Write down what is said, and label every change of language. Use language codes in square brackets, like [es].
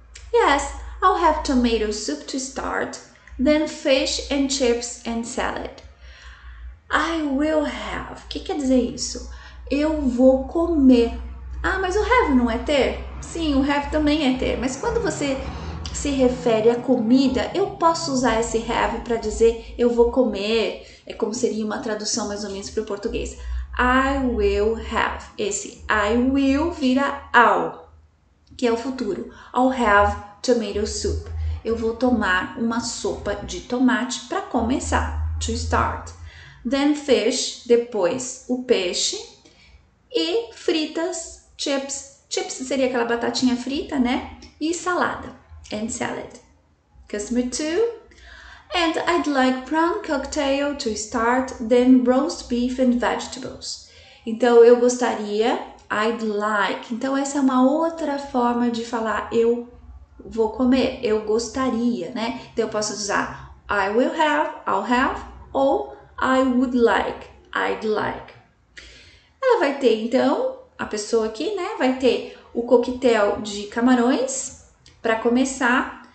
[en] Yes, I'll have tomato soup to start, then fish and chips and salad. I will have. [pt] O que quer dizer isso? Eu vou comer. Ah, mas o have não é ter? Sim, o have também é ter. Mas quando você se refere à comida, eu posso usar esse have para dizer eu vou comer. É como seria uma tradução mais ou menos para o português. [en] I will have. [pt] Esse I will vira I'll, que é o futuro. [en] I'll have tomato soup. [pt] Eu vou tomar uma sopa de tomate para começar. [en] To start. Then fish, [pt] depois o peixe. E fritas, chips. Chips seria aquela batatinha frita, né? E salada. [en] And salad. Customer 2. And I'd like prawn cocktail to start, then roast beef and vegetables. [pt] Então eu gostaria, I'd like. Então essa é uma outra forma de falar eu vou comer, eu gostaria, né? Então eu posso usar I will have, I'll have, ou I would like, I'd like. Ela vai ter então, a pessoa aqui, né? Vai ter o coquetel de camarões para começar.